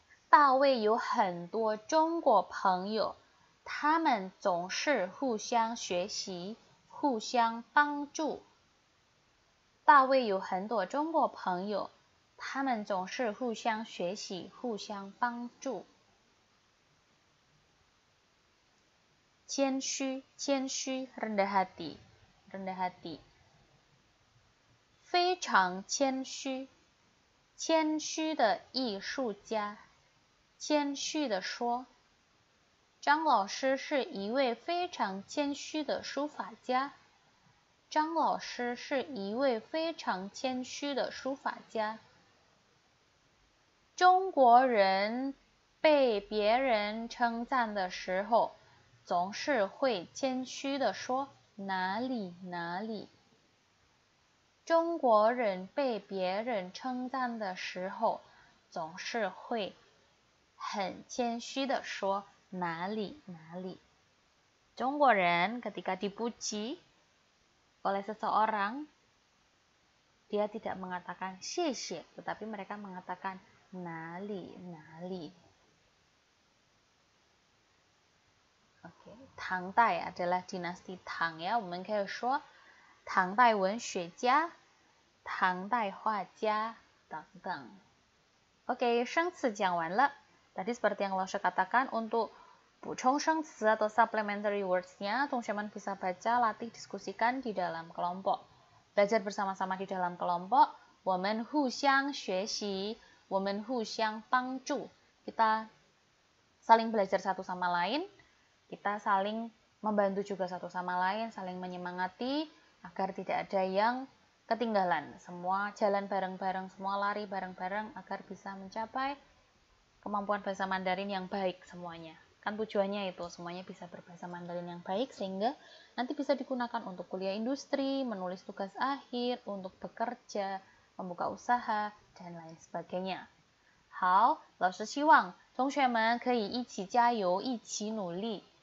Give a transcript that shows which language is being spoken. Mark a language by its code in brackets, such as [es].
[zh] 大卫有很多中国朋友，他们总是互相学习，互相帮助。大卫有很多中国朋友，他们总是互相学习，互相帮助。谦虚，谦虚， [id] rendah hati, rendah hati。 [zh] 非常谦虚，谦虚的艺术家，谦虚的说，张老师是一位非常谦虚的书法家。张老师是一位非常谦虚的书法家。中国人被别人称赞的时候，总是会谦虚地说“哪里哪里”。中国人被别人称赞的时候，总是会很谦虚地说“哪里哪里”。 [id] 中国人 ketika dipuji oleh seseorang, dia tidak mengatakan “谢谢”，tetapi mereka mengatakan “哪里哪里”。 Okay, 唐代 adalah dinasti Tang ya, [zh] 我们可以说唐代文学家。唐代画家等等，OK，生词讲完了。 [id] Tadi seperti yang Losha katakan untuk补充生词 atau supplementary words-nya, Tongxia Man bisa baca, latih, diskusikan di dalam kelompok. Belajar bersama-sama di dalam kelompok, [zh] 我们互相学习，我们互相帮助， [id] kita saling belajar satu sama lain, kita saling membantu juga satu sama lain, saling menyemangati agar tidak ada yang ketinggalan, semua jalan bareng-bareng, semua lari bareng-bareng agar bisa mencapai kemampuan bahasa Mandarin yang baik semuanya. Kan tujuannya itu, semuanya bisa berbahasa Mandarin yang baik sehingga nanti bisa digunakan untuk kuliah industri, menulis tugas akhir, untuk bekerja, membuka usaha, dan lain sebagainya. [zh] 好, 老师希望同学们可以一起加油，一起努力。